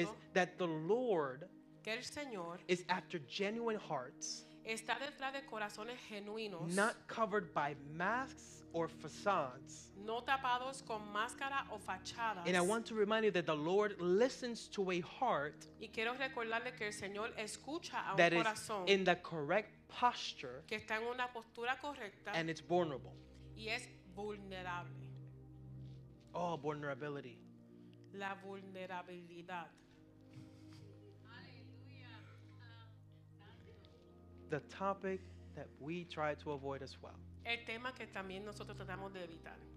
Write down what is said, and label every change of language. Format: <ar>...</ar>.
<en>is that the Lord,</en> <es>que el Señor,</es> <en>is after genuine hearts,</en> <es>está detrás de corazones genuinos,</es> <en>not covered by masks or facades,</en> <es>no tapados con máscara o fachadas.</es> <en>And I want to remind you that the Lord listens to a heart,</en> <es>y quiero recordarle que el Señor escucha a un</es> <en>that</en> <es>corazón,</es> <en>is in the correct posture,</en> <es>que está en una postura correcta,</es> <en>and it's vulnerable.</en> <es>Y es vulnerable.</es> <en>Oh, vulnerability.</en> <es>La vulnerabilidad.</es> <en>The topic that we try to avoid as well.</en> <es>El tema que también nosotros tratamos de evitar.</es>